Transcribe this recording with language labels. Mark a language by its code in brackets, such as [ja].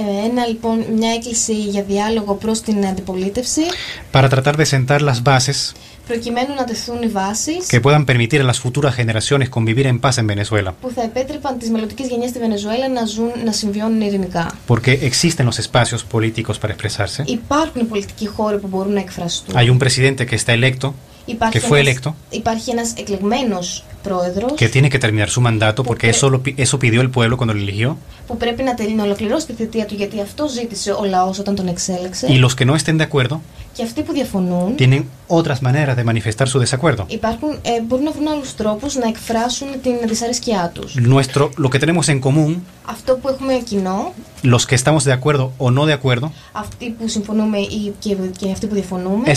[el] Ένα λοιπόν μια έκκληση για διάλογο προς την αντιπολίτευση. [es] Para tratar de sentar las bases. [el] Προκειμένου να τεθούν οι βάσεις. [es] Que puedan permitir a las futuras generaciones convivir en paz en Venezuela. [el] Που θα επέτρεπαν τις μελλοντικές γενιές στη Βενεζουέλα να ζουν, να συμβιώνουν ειρηνικά. [es] Porque existen los espacios políticos para expresarse. [el] Υπάρχουν οι πολιτικοί χώροι που μπορούν να εκφραστούν. [es] Hay un presidente que está electo. Que fue electo. [el] Υπάρχει ένας εκλεγμένος πρόεδρος. [es] Que tiene que terminar su mandato porque eso pidió el pueblo cuando lo eligió. [el] Που πρέπει να ολοκληρώσει τη θητεία του γιατί αυτό ζήτησε ο λαός όταν τον εξέλεξε. [es] Y los que no estén de acuerdo. [el] Και αυτοί που διαφωνούν. [es] Tienen otras maneras de manifestar su desacuerdo. [el] Μπορούν να βρουν άλλους τρόπους να εκφράσουν την δυσαρέσκειά τους. [es] Nuestro, lo que tenemos en común. [el] Αυτό που έχουμε κοινό. [es] Los que estamos de acuerdo o no de acuerdo. [el] Αυτοί που συμφωνούμε και αυτοί που διαφωνούμε.